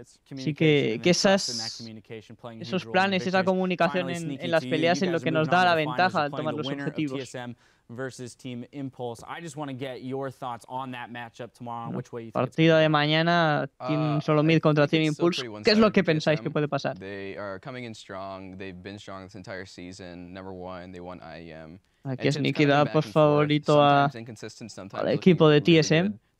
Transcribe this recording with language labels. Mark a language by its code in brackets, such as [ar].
[es] Así que esos planes, esa comunicación en las peleas es lo que nos da la ventaja al tomar los objetivos. [en] Versus Team Impulse. I just want to get your thoughts on that matchup tomorrow. No. Which way you [es] partida de mañana, Team Solo Mid contra Team Impulse. ¿Qué es lo que pensáis que puede pasar? [en] They are coming in strong. They've been strong this entire season. Number one, they won IEM. [es] Aquí es Nicky da por favorito al equipo de TSM.